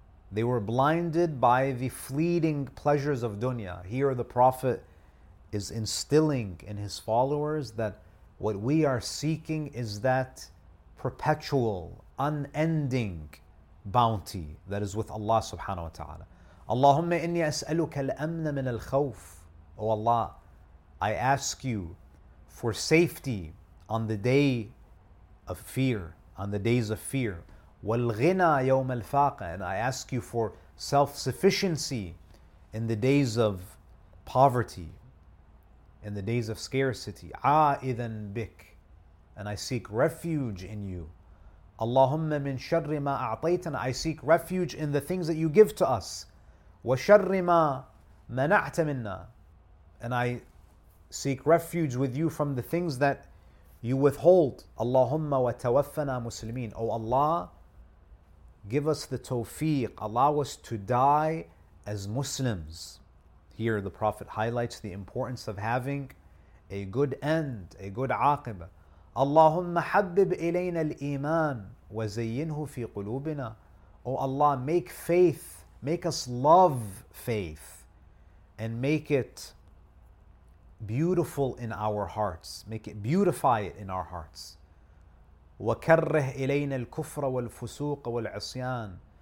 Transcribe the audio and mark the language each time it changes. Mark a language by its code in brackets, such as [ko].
[en] They were blinded by the fleeting pleasures of dunya. Here the Prophet is instilling in his followers that what we are seeking is that perpetual, unending bounty that is with Allah subhanahu wa ta'ala. [ar] اللهم إني أسألك الأمن من الخوف. [en] O Allah, I ask you for safety on the day of fear, on the days of fear. [ar] والغنى يوم الفاقة. [en] And I ask you for self-sufficiency in the days of poverty, in the days of scarcity. [ar] عائذاً بك. [en] And I seek refuge in you. [ar] اللهم من شر ما أعطيتنا. [en] I seek refuge in the things that you give to us. [ar] وشر ما منعت منا. [en] And I seek refuge with you from the things that you withhold. [ar] اللهم وتوفنا مسلمين. [en] O Allah, give us the tawfiq, allow us to die as Muslims. Here the Prophet highlights the importance of having a good end, a good aqibah. [ar] اللهم حبب إلينا الإيمان وزينه في قلوبنا. [en] O Allah, make faith, make us love faith and make it beautiful in our hearts. Make it, beautify it in our hearts. [ar] وَكَرِّهْ إِلَيْنَا الْكُفْرَ وَالْفُسُوقَ وَالْعِصْيَانَ.